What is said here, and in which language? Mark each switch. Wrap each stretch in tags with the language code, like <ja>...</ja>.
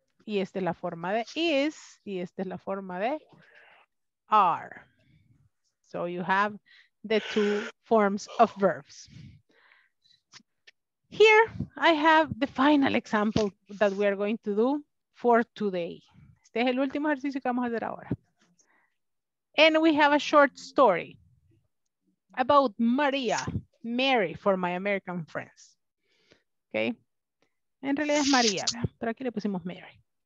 <es>Y esta es la forma de is, y esta es la forma de are.</es> <en>So you have the two forms of verbs. Here, I have the final example that we are going to do for today.</en> <es>Este es el último ejercicio que vamos a hacer ahora.</es> <en>And we have a short story about Maria, Mary, for my American friends. Okay?</en> <es>En realidad es Maria, pero aquí le pusimos Mary.</es>